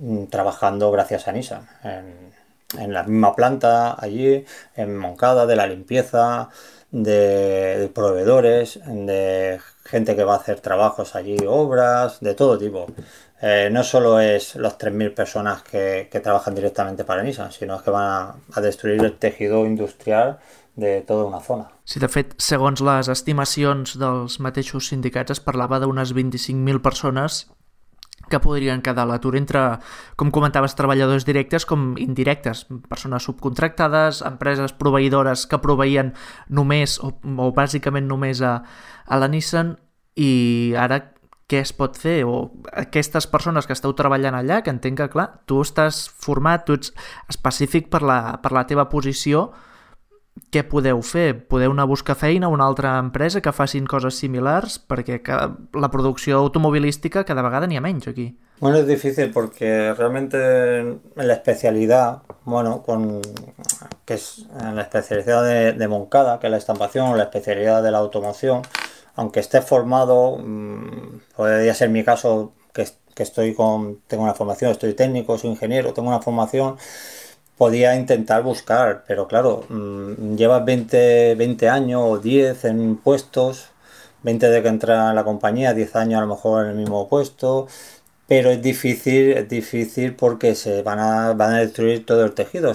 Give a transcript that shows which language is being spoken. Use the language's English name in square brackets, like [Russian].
[Spanish] trabajando gracias a Nissan, en la misma planta allí, en Moncada, de la limpieza, de proveedores, de gente que va a hacer trabajos allí, obras, de todo tipo. No solo es las 3.000 personas que trabajan directamente para Nissan, sino es que van a destruir el tejido industrial de toda una zona. [Catalan] Sí, de fet, segons les estimacions dels mateixos sindicats, es parlava d'unes 25.000 persones que podrien quedar a l'atur entre, com comentaves, treballadors directes com indirectes, persones subcontractades, empreses proveïdores que proveïen només o bàsicament només a la Nissan. I ara, què es pot fer? O aquestes persones que esteu treballant allà, que entenc que, clar, tu estàs format, tu ets específic per la teva posició. Què podeu fer? Podeu anar a buscar feina a una altra empresa que facin coses similars? Perquè la producció automobilística cada vegada n'hi ha menys aquí. [Spanish] Bueno, es difícil porque realmente en la especialidad, bueno, que es en la especialidad de Moncada, que es la estampación, o la especialidad de la automoción, aunque esté formado, podría ser mi caso que estoy con, tengo una formación, estoy técnico, soy ingeniero, tengo una formación, podía intentar buscar, pero claro, llevas 20 años o 10 en puestos, 20 de que entra a la compañía, 10 años a lo mejor en el mismo puesto, pero es difícil porque se van a destruir todo el tejido.